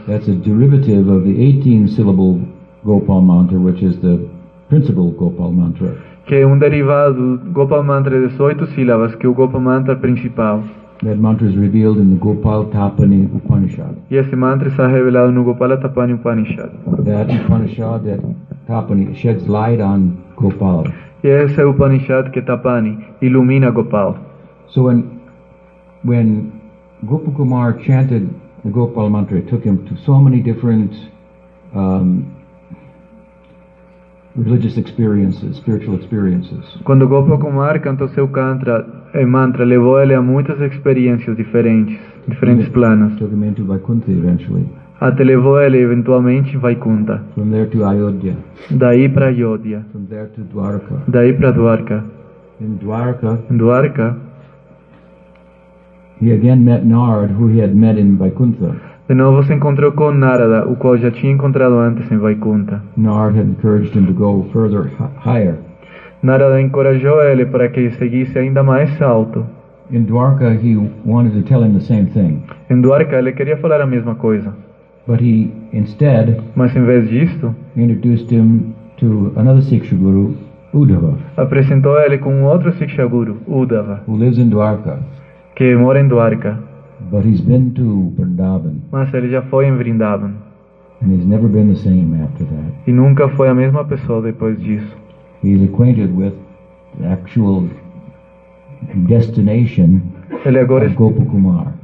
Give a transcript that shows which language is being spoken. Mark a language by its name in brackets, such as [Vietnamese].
[English] That's a derivative of the 18-syllable Gopal Mantra, which is the principal Gopal Mantra. [Portuguese] Que é derivado do Gopal Mantra de 18 sílabas, que é o Gopal Mantra principal. [English] That mantra is revealed in the Gopal Tapani Upanishad. [Portuguese] E esse mantra está revelado no Gopal Tapani Upanishad. [English] That Upanishad, that Tapani, sheds light on Gopal. [Portuguese] E esse é o Upanishad que Tapani ilumina Gopal. [English] So when Gopa Kumar chanted the Gopal mantra, it took him to so many different religious experiences, spiritual experiences. [Portuguese] Quando Gopa Kumar cantou seu mantra, levou ele a muitas experiências diferentes. diferentes planos. [English] Took him into Vaikuntha eventually. [Portuguese] Até levou ele eventualmente a Vaikuntha. [English] From there to Ayodhya. [Portuguese] Daí para Ayodhya. [English] From there to Dwarka. [Portuguese] Daí para Dwarka. [English] In Dwarka. [Portuguese] Em Dwarka. [English] He again met Narada, who he had met in Vaikuntha. [Portuguese] De novo se encontrou com Narada, o qual já tinha encontrado antes em Vaikuntha. [English] Narada had encouraged him to go further, higher. [Portuguese] Narada encorajou ele para que seguisse ainda mais alto. [English] In Dwarka, he wanted to tell him the same thing. [Portuguese] Em Dwarka, ele queria falar a mesma coisa. [English] But he instead, [Portuguese] mas em vez disto, [English] introduced him to another Siksha Guru, Uddhava. [Portuguese] Apresentou ele com outro Siksha Guru, Uddhava, [English] who lives in Dwarka. [Portuguese] Que mora em Dwarka. [English] But he's been to Vrindavan. [Portuguese] Mas ele já foi em Vrindavan. [English] And he's never been the same after that. [Portuguese] E nunca foi a mesma pessoa depois disso. [English] He's acquainted with the actual destination of Gopakumar.